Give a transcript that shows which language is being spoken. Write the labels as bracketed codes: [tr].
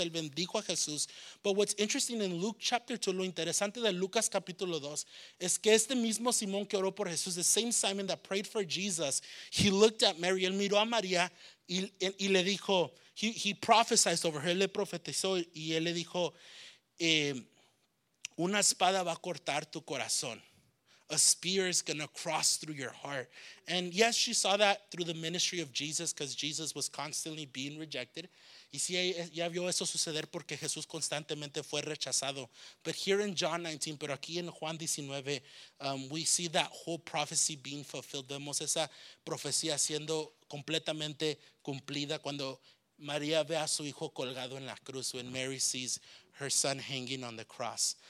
[es] Él bendijo a Jesús. [en] But what's interesting in Luke chapter 2, [es] lo interesante de Lucas capítulo 2, es que este mismo Simón que oró por Jesús, [en] the same Simon that prayed for Jesus, he looked at Mary. [es] Él miró a María y le dijo, [en] he prophesied over her. [es] Él le profetizó y él le dijo, una espada va a cortar tu corazón. [en] A spear is going to cross through your heart. And yes, she saw that through the ministry of Jesus because Jesus was constantly being rejected. [es] Y sí, ya vio eso suceder porque Jesús constantemente fue rechazado. [en] But here in John 19, [es] pero aquí en Juan 19, [en] we see that whole prophecy being fulfilled. [es] Vemos esa profecía siendo completamente cumplida cuando María ve a su hijo colgado en la cruz, [en] when Mary sees her son hanging on the cross.